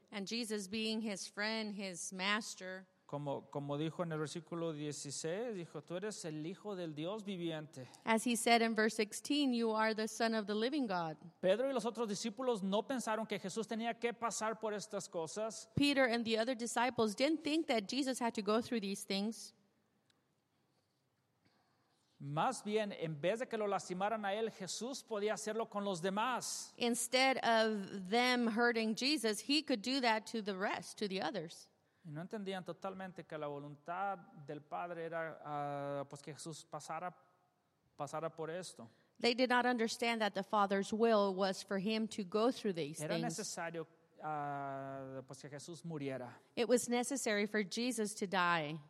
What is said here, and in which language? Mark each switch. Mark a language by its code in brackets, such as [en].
[en] And Jesus being his friend, his master. [es] Como dijo en el versículo 16, dijo, tú eres el hijo del Dios viviente. [en] As he said in verse 16, you are the son of the living God. [es] Pedro y los otros discípulos no pensaron que Jesús tenía que pasar por estas cosas. [en] Peter and the other disciples didn't think that Jesus had to go through these things. [es] Más bien, en vez de que lo lastimaran a él, Jesús podía hacerlo con los demás. [en] Instead of them hurting Jesus, he could do that to the rest, to the others. [es] Y no entendían totalmente que la voluntad del Padre era pues que Jesús pasara por esto. [en] They did not understand that the Father's will was for him to go through these [es] things. Era necesario pues que Jesús muriera. [en] It was necessary for Jesus to die.